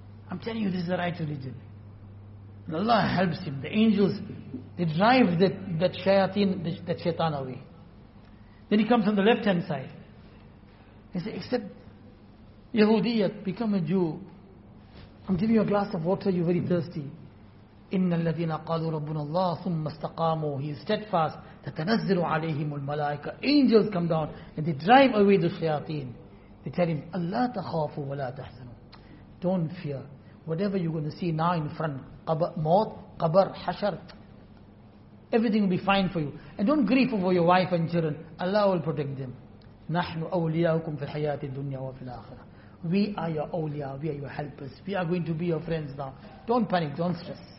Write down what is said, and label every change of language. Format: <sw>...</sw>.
<en>I'm telling you, this is the right religion. Allah helps him. The angels, they drive that shaitan away. Then he comes on the left hand side. He says, except Yahudiyat, become a Jew. I'm giving you a glass of water, you're very thirsty.</en> <ar>إِنَّ الَّذِينَ قَالُوا رَبُّنَ اللَّهُ ثُمَّ اسْتَقَامُوا</ar> <en>He is steadfast.</en> <ar>تَتَنَزِّلُ عَلَيْهِمُ الْمَلَائِكَةُ</ar> <en>Angels come down and they drive away the shayateen. They tell him,</en> <ar>أَلَّا تَخَافُوا وَلَا تَحْزَنُوا</ar> <en>Don't fear. Whatever you're going to see now in front, موت, قبر, حشر, everything will be fine for you. And don't grieve over your wife and children. Allah will protect them.</en> <ar>نَحْنُ أَوْلِيَاكُمْ فِي الْحَيَاةِ الدُّنْيَا وَفِي الْآخِرَةِ</ar> <en>We are your awliya, we are your helpers, we are going to be your friends now. Don't panic, don't stress.</en>